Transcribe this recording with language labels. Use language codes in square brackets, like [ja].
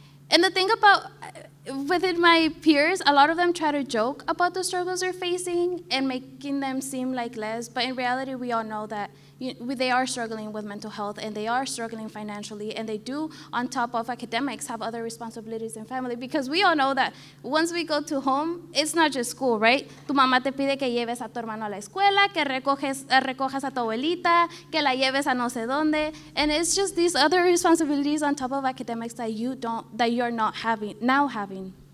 [en] And the thing about within my peers, a lot of them try to joke about the struggles they're facing and making them seem like less. But in reality, we all know that they are struggling with mental health and they are struggling financially. And they do, on top of academics, have other responsibilities in family. Because we all know that once we go to home, it's not just school, right? [es] Tu mamá te pide que lleves a tu hermano a la escuela, que recojas a tu abuelita, que la lleves a no sé dónde. [en] And it's just these other responsibilities on top of academics that you're not having.